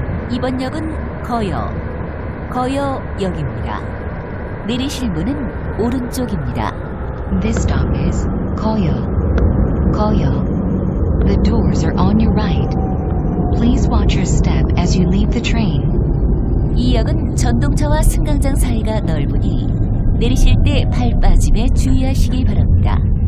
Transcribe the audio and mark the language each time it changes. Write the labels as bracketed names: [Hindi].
[Korean] 이번 역은 거여, 거여역입니다. 내리실 문은 오른쪽입니다. [English] This stop is 거여, 거여. The doors are on your right. Please watch your step as you leave the train. [Korean] 이 역은 전동차와 승강장 사이가 넓으니 내리실 때 발 빠짐에 주의하시길 바랍니다.